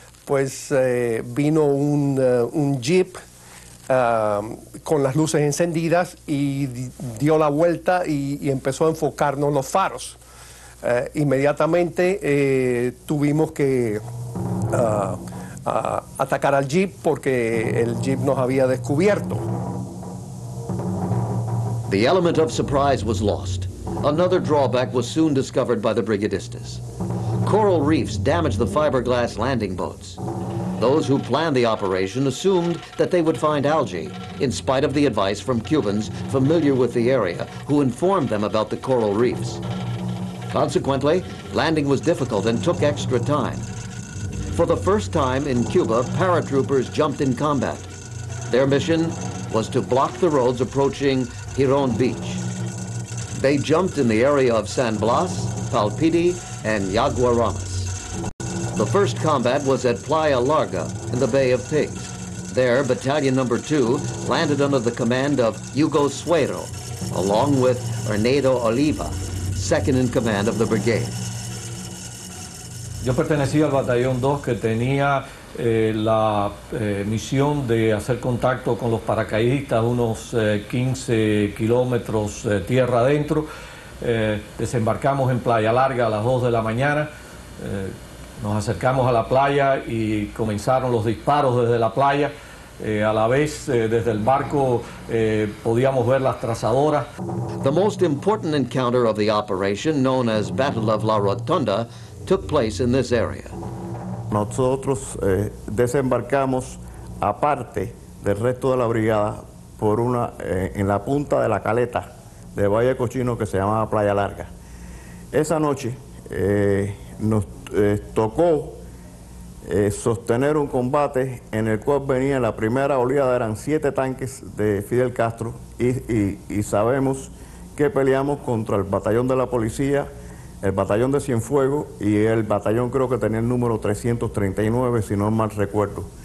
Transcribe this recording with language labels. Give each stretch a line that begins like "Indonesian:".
Spanish: pues vino un jeep con las luces encendidas y dio la vuelta y empezó a enfocarnos los faros. Inmediatamente tuvimos que atacar al jeep porque el jeep nos había descubierto.
English: The element of surprise was lost. Another drawback was soon discovered by the brigadistas. Coral reefs damaged the fiberglass landing boats. Those who planned the operation assumed that they would find algae, in spite of the advice from Cubans familiar with the area who informed them about the coral reefs. Consequently, landing was difficult and took extra time. For the first time in Cuba, paratroopers jumped in combat. Their mission was to block the roads approaching Giron Beach. They jumped in the area of San Blas, Palpiti, and Yaguaramas. The first combat was at Playa Larga in the Bay of Pigs. There, Battalion Number 2 landed under the command of Hugo Suero, along with Ernesto Oliva, second in command of the brigade.
Spanish: Yo pertenecía al Batallón 2 que tenía misión de hacer contacto con los paracaidistas unos 15 kilómetros tierra adentro. Desembarcamos en Playa Larga a las 2 de la mañana. Nos acercamos a la playa y comenzaron los disparos desde la playa. A la vez, desde el barco, podíamos ver las trazadoras.
English: The most important encounter of the operation, known as Battle of La Rotonda, took place in this area.
Spanish: Nosotros desembarcamos aparte del resto de la brigada por una en la punta de la caleta de Valle Cochino que se llamaba Playa Larga. Esa noche nos tocó sostener un combate en el cual venía la primera oleada, eran 7 tanques de Fidel Castro y sabemos que peleamos contra el batallón de la policía, el batallón de Cienfuegos y el batallón creo que tenía el número 339, si no mal recuerdo.